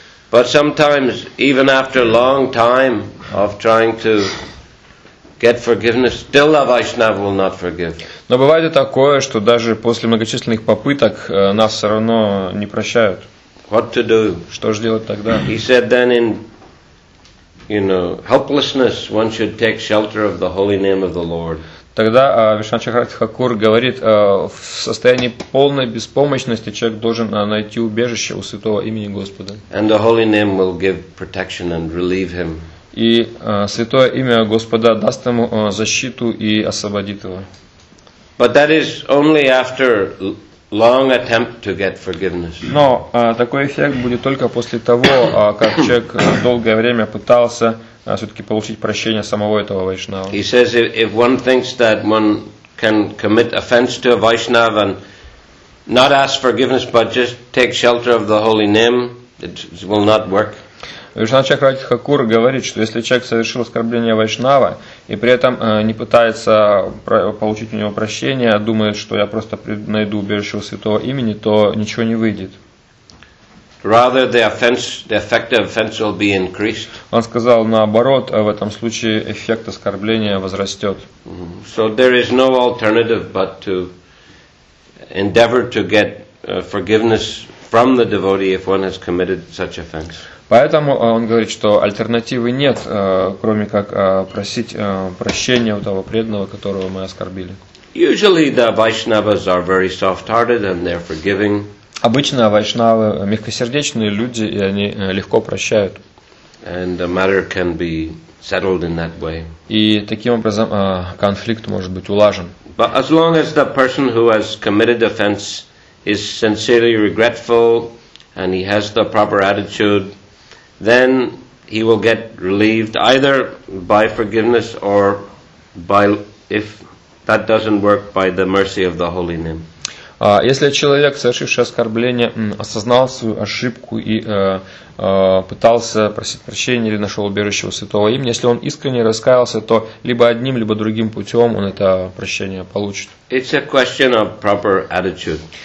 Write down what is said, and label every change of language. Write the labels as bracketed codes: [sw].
[en] But sometimes even after a long time of trying to get forgiveness, still the Vaishnava will not forgive. [ru] Но бывает и такое, что даже после многочисленных попыток нас все равно не прощают. [en] What to do? [ru] Что же делать тогда? [en] He said then in, you know, helplessness, one should take shelter of the holy name of the Lord. [ru] Тогда Вишна Чакратхакур говорит, в состоянии полной беспомощности человек должен найти убежище у святого имени Господа. [en] And the holy name will give protection and relieve him. [ru] И святое имя Господа даст ему защиту и освободит его. [en] But that is only after long attempt to get forgiveness. [ru] Но такой эффект будет только после того, как человек долгое время пытался все-таки получить прощение самого этого вайшнава. [en] He says if one thinks that one can commit offense to a vaishnava and not ask forgiveness but just take shelter of the holy name, it will not work. [ru] Вишна Чакрати Хакур говорит, что если человек совершил оскорбление вайшнава и при этом не пытается получить у него прощение, а думает, что я просто найду убежище у святого имени, то ничего не выйдет. [en] Rather the offense, the effect of offense will be increased. [ru] Он сказал наоборот, в этом случае эффект оскорбления возрастет. [en] So there is no alternative but to endeavor to get forgiveness from the devotee if one has committed such offense. [ru] Поэтому он говорит, что альтернативы нет, кроме как просить прощения у того преданного, которого мы оскорбили. [en] Usually the Vaishnavas are very soft-hearted and they're forgiving. [ru] Обычно вайшнавы мягкосердечные люди, и они легко прощают. [en] And the matter can be settled in that way. [ru] И таким образом конфликт может быть улажен. [en] But as long as the person who has committed offense is sincerely regretful and he has the proper attitude, then he will get relieved either by forgiveness or by, if that doesn't work, by the mercy of the holy name. [ru] Если человек, совершивший оскорбление, осознал свою ошибку и пытался просить прощения или нашел убежище у святого имени, если он искренне раскаялся, то либо одним, либо другим путем он это прощение получит. [en] It's a question of proper attitude.